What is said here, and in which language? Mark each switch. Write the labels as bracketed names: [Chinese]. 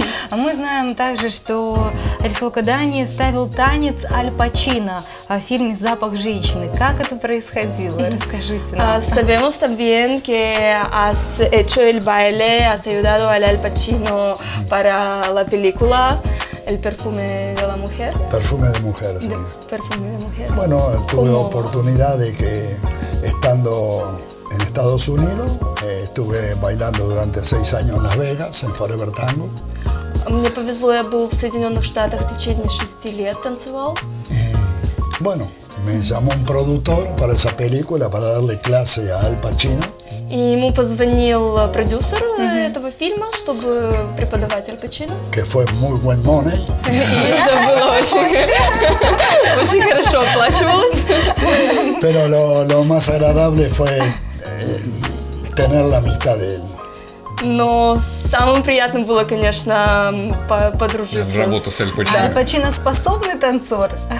[Russian] А мы знаем также, что Эль Фалкадани ставил танец Аль Пачино в фильме «Запах женщины». Как это происходило? Расскажите нам. [Spanish] Sabemos también que has hecho el baile, has ayudado a Аль Пачино para la película «El perfume de la mujer». «Perfume de mujer», sí. «Perfume de mujer». Bueno, tuve ¿cómo? Oportunidad de que estando... En Estados Unidos estuve bailando durante 6 años en Las Vegas, en Forever Tango. [Russian] Мне повезло, я был в Соединенных Штатах в течение 6 лет, танцевал. [Spanish] Bueno, me llamó un productor para esa película, para darle clase a Al Pacino. [Russian] И ему позвонил продюсер этого фильма, чтобы преподавать Аль Пачино. [Spanish] Que fue muy buen [English] money. [Russian] И это было очень хорошо оплачивалось. [Spanish] Pero lo más agradable fue... tener la amistad de él. [Russian] Но самым приятным было, конечно, подружиться. Работа с Аль Пачино. Аль Пачино способный танцор.